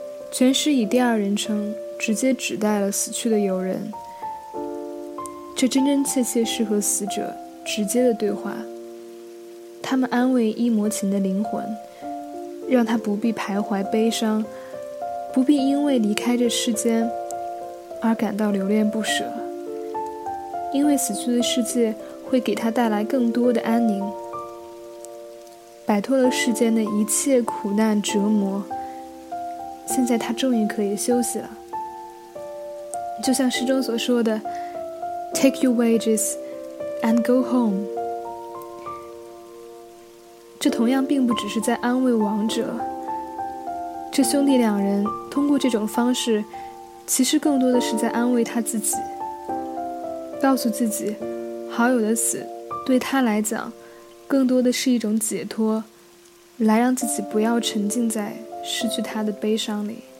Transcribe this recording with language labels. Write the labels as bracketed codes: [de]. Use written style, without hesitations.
[zh] 全诗以第二人称直接指代了死去的友人，这真真切切是和死者直接的对话，他们安慰伊摩琴的灵魂，让他不必徘徊悲伤，不必因为离开这世间而感到留恋不舍，因为死去的世界会给他带来更多的安宁，摆脱了世间的一切苦难折磨，现在他终于可以休息了。就像诗中所说的 [en] Take your wages and go home。 [zh] 这同样并不只是在安慰亡者，这兄弟两人通过这种方式，其实更多的是在安慰他自己，告诉自己好友的死对他来讲更多的是一种解脱，来让自己不要沉浸在失去他的悲伤里。